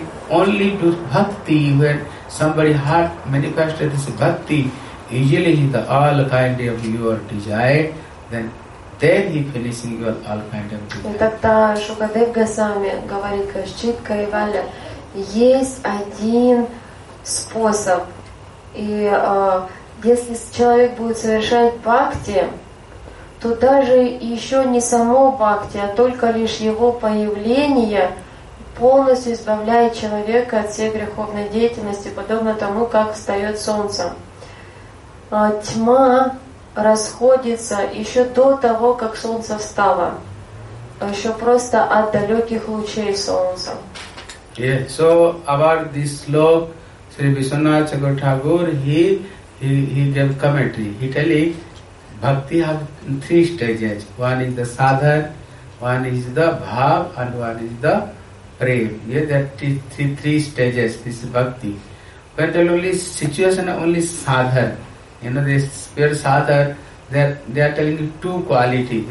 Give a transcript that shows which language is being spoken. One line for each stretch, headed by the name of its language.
English: Only to bhakti, when somebody heart manifested this bhakti, easily the all kind of your desire, then he finishing your all kind of desire.
Russian: Тогда Шукадев Госвами говорит четко и Валя, есть один способ, и если человек будет совершать бхакти, то даже еще не само бхакти, а только лишь его появление полностью избавляет человека от всей греховной деятельности, подобно тому, как встает солнце. Тьма расходится еще до того, как солнце встало, еще просто от далеких лучей солнца.
English: Yeah. So about this slope, Sri Vishwanath Chakur Thakur, he gave commentary. He telling, bhakti has three stages. One is the sadhana, one is the bhav, and one is the prem. Yeah, that is three stages, this bhakti. When the only situation only sadhar, you know, this pure sadhar, they are telling two quality.